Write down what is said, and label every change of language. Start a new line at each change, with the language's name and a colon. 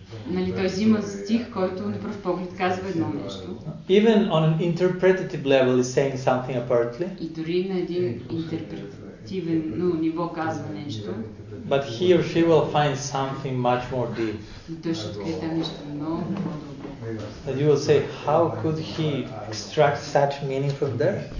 Bulgarian: Нали, той взима стих, който на пръв поглед казва едно нещо.
English: Even on an interpretative level is saying something apparently.
Bulgarian: И дори на един интерпретативен, ну, ниво казва нещо.
English: But he or she will find something much more deep.
Bulgarian: Той ще открие там нещо много по-дълго.
English: That you will say, how could he extract such meaning from there?